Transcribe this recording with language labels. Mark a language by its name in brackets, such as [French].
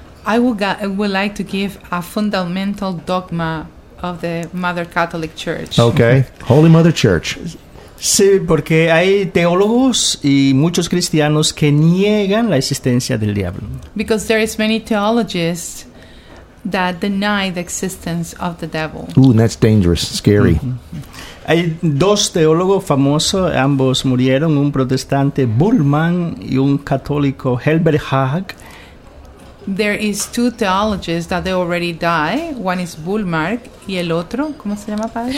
[English] I would like to give a fundamental dogma of the Mother Catholic Church. Okay, Holy Mother Church. [Spanish] Sí, porque hay teólogos y muchos cristianos que niegan la existencia del diablo. [English] Because there is many theologists that deny the existence of the devil. Ooh, and that's dangerous, scary. [Spanish] Hay dos teólogos famosos, ambos murieron, un protestante Bullman y un católico Herbert Hag. [English] There is two theologians that they already die. One is Bullmark [Spanish] y el otro, ¿cómo se llama, padre?